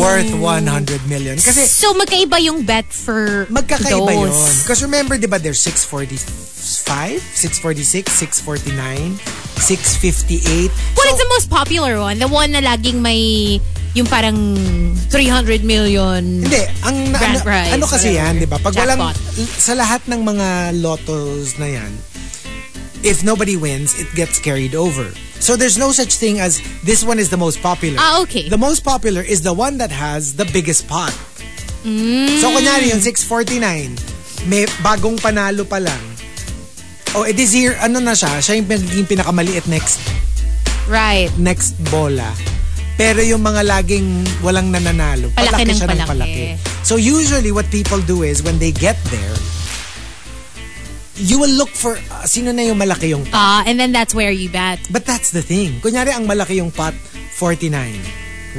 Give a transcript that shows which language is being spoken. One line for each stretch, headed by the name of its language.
English: Worth 100 million.
Filipino: Kasi, so magkaiba yung
English: bet for those.
Filipino: Magkakaiba yun.
English: Because remember, diba, there's 645, 646, 649, 658. What is the most popular one? The one
Filipino: na laging may yung parang
English: 300 million.
Filipino: Hindi, ang ano kasi yan, 'di ba? Pag jackpot. Walang sa lahat ng mga lotos na yan,
English: if nobody wins, it gets carried over. So there's no such thing as this one is the most popular. Ah, okay. The most popular is the one that has the biggest pot. Mm.
Filipino: So kunyari yung 649, may bagong panalo pa lang.
English: Oh, it is here.
Filipino: Ano na siya? Siya yung magiging pinakamaliit next.
English: Right.
Filipino: Next bola. Pero yung mga laging walang nananalo, palaki siya palaki. Ng palaki.
English: So usually what people do is when they get there, you will look for
Filipino: sino na yung malaki yung
English: pot. And then that's where you bet. But that's the thing.
Filipino: Kunyari, ang malaki yung pot, 49.